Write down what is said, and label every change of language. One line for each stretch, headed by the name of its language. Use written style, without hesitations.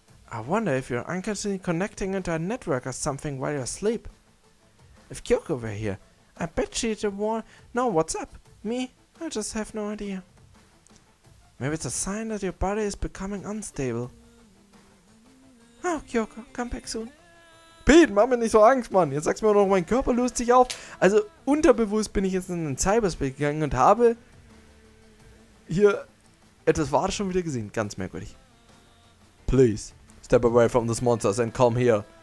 English: I wonder if you're unconsciously connecting into a network or something while you're asleep. If Kyoko were here, I bet she'd know what's up. Me? I just have no idea. Maybe it's a sign that your body is becoming unstable. Oh, Kyoko, come back soon.
German: Pete, mach mir nicht so Angst, Mann. Jetzt sag's mir noch, mein Körper löst sich auf. Also, unterbewusst bin ich jetzt in den Cyberspace gegangen und habe hier etwas Wahres schon wieder gesehen. Ganz merkwürdig.
English: Please, step away from those monsters and come here.